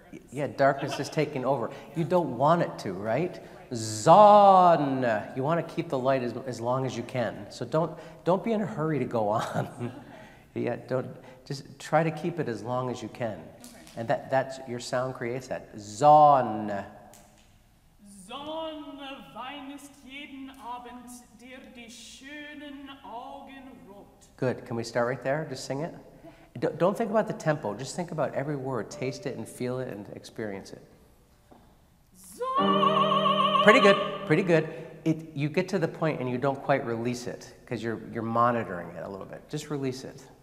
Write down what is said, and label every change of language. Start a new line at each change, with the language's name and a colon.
English: Yeah, darkness is taking over. Yeah. You don't want it to, right?
German: Sonne.
English: You want to keep the light as long as you can. So don't be in a hurry to go on. Yeah, don't, just try to keep it as long as you can. Okay. And that's your sound creates that. Sonne.
German: Sonne weinest jeden Abend dir die schönen Augen rot.
English: Good. Can we start right there? Just sing it. Don't think about the tempo. Just think about every word. Taste it and feel it and experience it. Pretty good. Pretty good. You get to the point and you don't quite release it because you're monitoring it a little bit. Just release it.